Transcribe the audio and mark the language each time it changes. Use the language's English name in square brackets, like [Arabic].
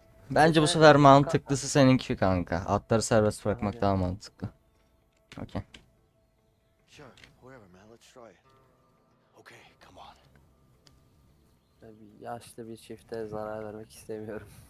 [Turkish] Bence bu sefer mantıklısı seninki kanka. Atları serbest bırakmak daha mantıklı. [English] Okay. Sure, whoever man, let's try it. Okay, come on. [Turkish] Tabii yaşlı bir çifte zarar vermek istemiyorum.